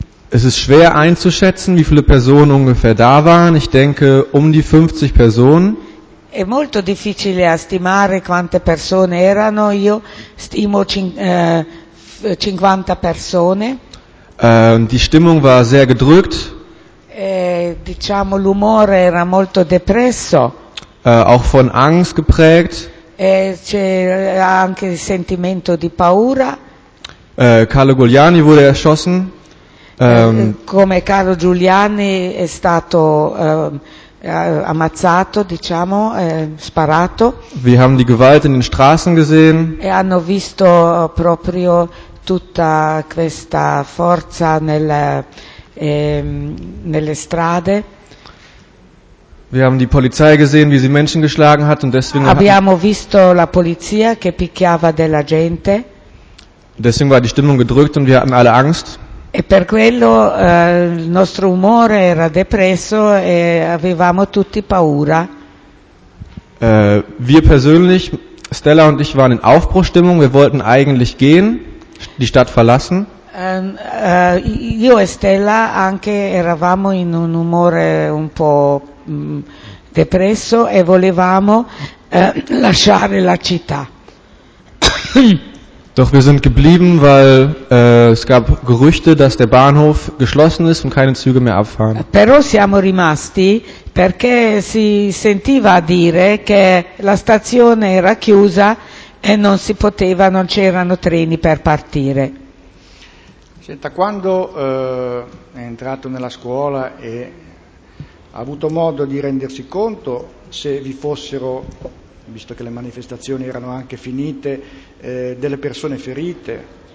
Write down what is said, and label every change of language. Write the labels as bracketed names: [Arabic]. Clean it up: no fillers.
[German] Es ist schwer einzuschätzen, wie viele Personen ungefähr da waren. Ich denke, um die 50 Personen. [Italian] È molto difficile a stimare quante persone erano. Io stimo 50 persone. [German] Die Stimmung war sehr gedrückt. [Italian] Diciamo, l'umore era molto depresso. [German] Auch von Angst geprägt. [Italian] C'era anche il sentimento di paura. [German] Carlo Giuliani wurde erschossen. [Italian] Come Carlo Giuliani è stato ammazzato, diciamo, sparato. [German] Wir haben die Gewalt in den Straßen gesehen. [Italian] E hanno visto proprio tutta questa forza nelle strade. [German] Wir haben die Polizei gesehen, wie sie Menschen geschlagen hat und deswegen. [Italian] Abbiamo visto la polizia che picchiava della gente. [German] Deswegen war die Stimmung gedrückt und wir hatten alle Angst. [Italian] E per quello il nostro umore era depresso e avevamo tutti paura. [German] Wir persönlich, Stella und ich, waren in Aufbruchstimmung. Wir wollten eigentlich gehen, die Stadt verlassen. [Italian] Io e Stella anche eravamo in un umore un po' depresso e volevamo lasciare la città. [German] Doch wir sind geblieben, weil es gab Gerüchte, dass der Bahnhof geschlossen ist und keine Züge mehr abfahren. [Italian] Però siamo rimasti perché si sentiva dire che la stazione era chiusa e non si poteva, non c'erano treni per partire. Senta, quando è entrato nella scuola e ha avuto modo di rendersi conto se vi fossero, visto che le manifestazioni erano anche finite, delle persone ferite?